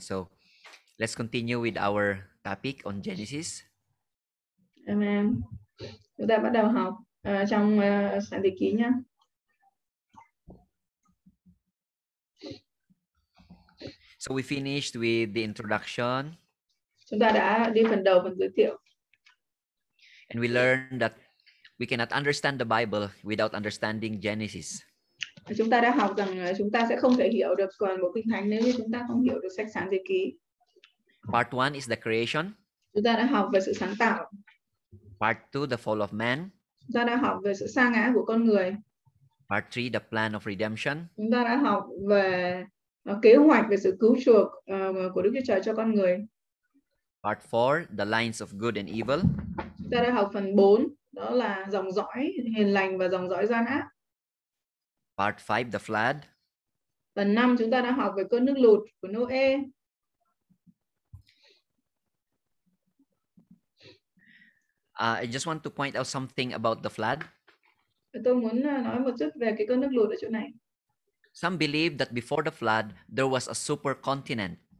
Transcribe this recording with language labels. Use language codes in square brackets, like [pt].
[en] So let's continue with our topic on Genesis. Amen. [vi] Chúng ta bắt đầu học trong sáng thế ký nhé. [en] So we finished with the introduction. [vi] Chúng ta đã đi phần đầu, phần giới thiệu. [en] And we learned that we cannot understand the Bible without understanding Genesis. [vi] Chúng ta đã học rằng chúng ta sẽ không thể hiểu được toàn bộ Kinh Thánh nếu như chúng ta không hiểu được sách Sáng Thế Ký. [en] Part 1 is the creation. [vi] Chúng ta đã học về sự sáng tạo. [en] Part 2, the fall of man. [vi] Chúng ta đã học về sự sa ngã của con người. [en] Part 3, the plan of redemption. [vi] Chúng ta đã học về kế hoạch về sự cứu chuộc của Đức Chúa Trời cho con người. [en] Part 4, the lines of good and evil. [vi] Chúng ta đã học phần 4, đó là dòng dõi hiền lành và dòng dõi gian ác. [en] Part 5, the flood. [vi] Phần 5, chúng ta đã học về cơn nước lụt của Noe. [en] I just want to point out something about the flood. [vi] Tôi muốn nói một chút về cái cơn nước lụt ở chỗ này. [en] Some believe that before the flood, there was a supercontinent.